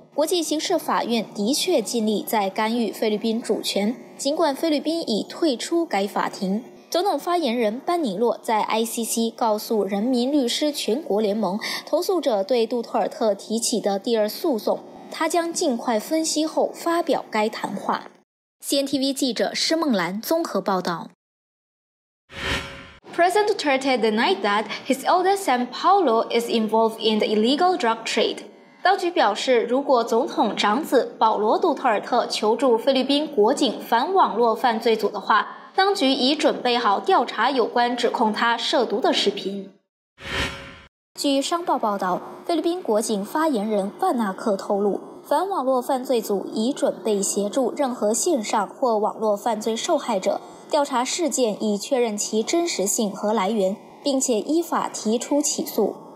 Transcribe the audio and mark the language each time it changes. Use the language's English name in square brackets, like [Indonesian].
[Chinese] 国际刑事法院的确尽力在干预菲律宾主权，尽管菲律宾已退出该法庭。总统发言人班尼洛在 ICC 告诉人民律师全国联盟，投诉者对杜特尔特提起的第二诉讼，他将尽快分析后发表该谈话。 CNTV 记者施梦兰综合报道。 [English] President Duterte denied that his eldest son Paolo is involved in the illegal drug trade. [Chinese] 当局表示，如果总统长子保罗·杜特尔特求助菲律宾国警反网络犯罪组的话，当局已准备好调查有关指控他涉毒的视频。据商报报道，菲律宾国警发言人万纳克透露，反网络犯罪组已准备协助任何线上或网络犯罪受害者调查事件，以确认其真实性和来源，并且依法提出起诉。